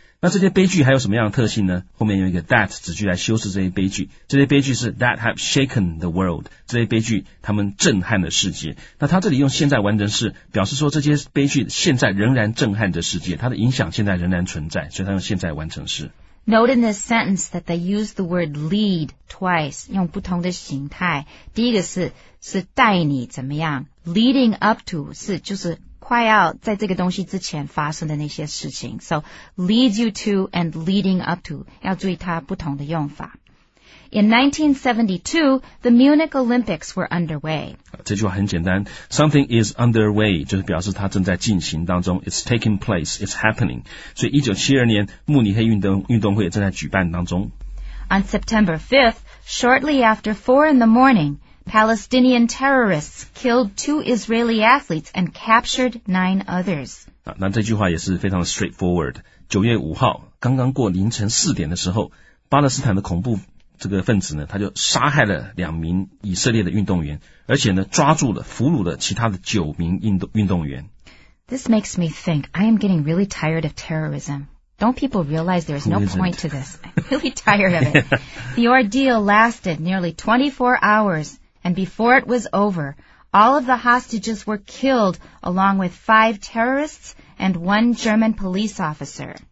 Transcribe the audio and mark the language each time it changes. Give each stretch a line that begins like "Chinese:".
Chinese: 那这些悲剧还有什么样的特性呢？后面有一个 that 子句来修饰这些悲剧。这些悲剧是
English: that have shaken the world，
Chinese: 这些悲剧他们震撼了世界。那他这里用现在完成式表示说这些悲剧现在仍然震撼着世界，它的影响现在仍然存在，所以他用现在完成式。
English: Note in this sentence that they use the word lead twice,
Chinese: 用不同的形态。第一个是带你怎么样 ,
English: leading up to,
Chinese: 是就是快要在这个东西之前发生的那些事情。
English: So, leads you to and leading up to,
Chinese: 要注意它不同的用法。
English: In 1972, the Munich Olympics were underway.
Chinese: 这句话很简单。
English: Something is underway,
Chinese: 就是表示它正在进行当中。
English: It's taking place, it's happening.
Chinese: 所以1972年慕尼黑运动会正在举办当中。
English: On September 5th, shortly after 4 in the morning, Palestinian terrorists killed 2 Israeli athletes and captured 9 others.
Chinese: 那这句话也是非常的 straightforward。 9月5号,刚刚过凌晨4点的时候,巴勒斯坦的恐怖这个分子呢，他就杀害了两名以色列的运动员，而且呢，抓住了、俘虏了其他的九名运动员。
English: This makes me think I am getting really tired of terrorism. Don't people realize there is no point to this? I'm really tired of it. The ordeal lasted nearly 24 hours, and before it was over, all of the hostages were killed, along with 5 terrorists and 1 German police officer.